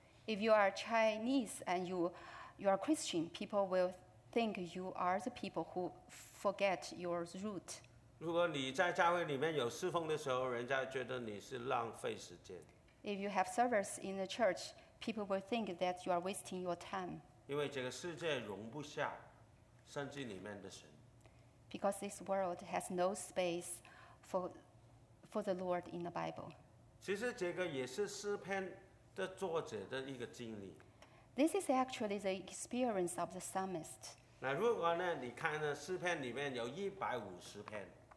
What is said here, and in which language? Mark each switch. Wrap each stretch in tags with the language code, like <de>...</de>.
<en>If you are Chinese and you are Christian, people will think you are the people who forget your root.</en> <zh>如果你在教会里面有侍奉的时候，人家觉得你是浪费时间。</zh> <en>If you have service in the church, people will think that you are wasting your time.</en> <zh>因为这个世界容不下圣经里面的神。</zh> <en>Because this world has no space for the Lord in the Bible.</en> <zh>其实这个也是诗篇的作者的一个经历。</zh> <en>This is actually the experience of the psalmist.</en> <zh>那如果呢，你看呢，诗篇里面有150篇。</zh>